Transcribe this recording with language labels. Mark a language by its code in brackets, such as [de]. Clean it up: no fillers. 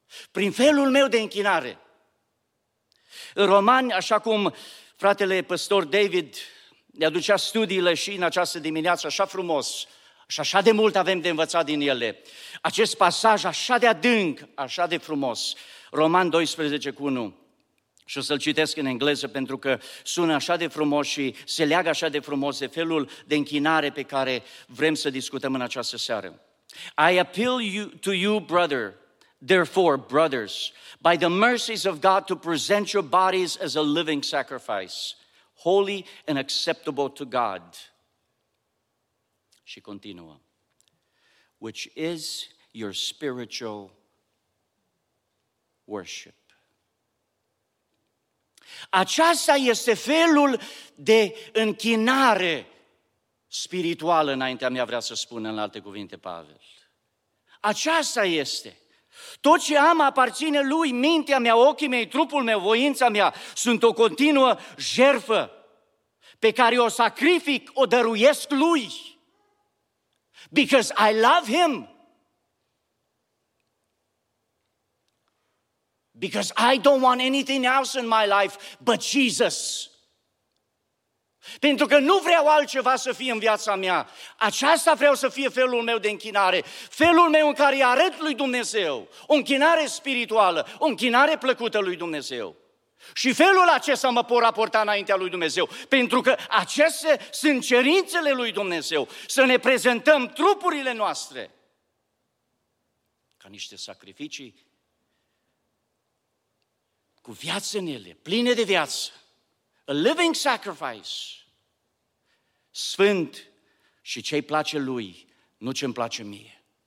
[ro] Prin felul meu de închinare. În Romani, așa cum fratele păstor David ne aducea studiile și în această dimineață așa frumos, și așa de mult avem de învățat din ele. Acest pasaj așa de adânc, așa de frumos. Roman 12:1. Și o să-l citesc în engleză pentru că sună așa de frumos și se leagă așa de frumos de felul de închinare pe care vrem să discutăm în această seară. [en] I appeal to you, brother, therefore, brothers, by the mercies of God to present your bodies as a living sacrifice, holy and acceptable to God. [ro] Și continuă, [en] which is your spiritual worship. [ro] Aceasta este felul de închinare spirituală înaintea mea, vrea să spun în alte cuvinte Pavel. Aceasta este. Tot ce am aparține lui, mintea mea, ochii mei, trupul meu, voința mea, sunt o continuă jertfă pe care o sacrific, o dăruiesc lui. [en] Because I love him. Because I don't want anything else in my life but Jesus. [ro] Pentru că nu vreau altceva să fie în viața mea. Aceasta vreau să fie felul meu de închinare. Felul meu în care îi arăt lui Dumnezeu. O închinare spirituală. O închinare plăcută lui Dumnezeu. Și felul acesta mă pot raporta înaintea lui Dumnezeu, pentru că acestea sunt cerințele lui Dumnezeu, să ne prezentăm trupurile noastre ca niște sacrificii cu viață în ele, pline de viață, [en] a living sacrifice, [ro] sfânt și ce-i place lui, nu ce-mi place mie.